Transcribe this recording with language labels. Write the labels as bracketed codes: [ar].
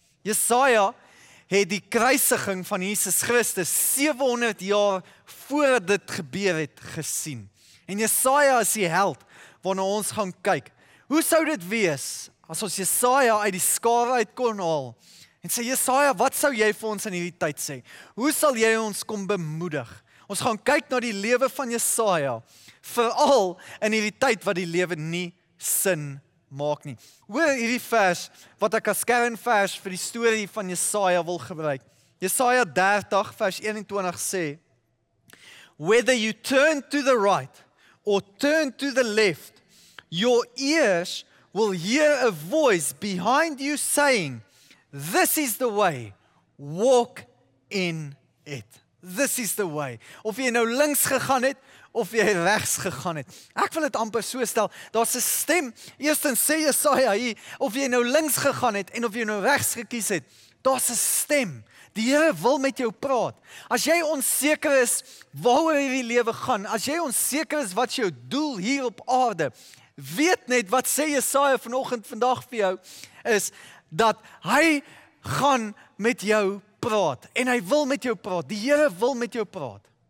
[af] Jesaja het die kruisiging van Jesus Christus 700 jaar voor dit gebeur het gesien. En Jesaja is die held waarna ons gaan kyk. Hoe sou dit wees as ons Jesaja uit die skare uit kon haal? En sê, Jesaja, wat sou jy vir ons in hierdie tyd sê? Hoe sal jy ons kom bemoedig? Ons gaan kyk na die lewe van Jesaja, veral in hierdie tyd wat die lewe nie sin maak nie. Hoor hierdie vers, wat ek as kernvers vir die storie van Jesaja wil gebruik. Jesaja 30 vers 21 sê, [en] Whether you turn to the right or turn to the left, your ears will hear a voice behind you saying, This is the way, walk in it. This is the way. [af] Of jy nou links gegaan het, of jy regs gegaan het. Ek wil dit amper so stel, daar's 'n stem, eerstens sê Jesaja hier, of jy nou links gegaan het, en of jy nou regs gekies het, daar's 'n stem, die Here wil met jou praat. As jy onseker is, waaroor hierdie lewe gaan, as jy onseker is, wat jou doel hier op aarde, weet net wat sê Jesaja vanoggend vandag vir jou, is dat hy gaan met jou praat, en hy wil met jou praat, die Here wil met jou praat.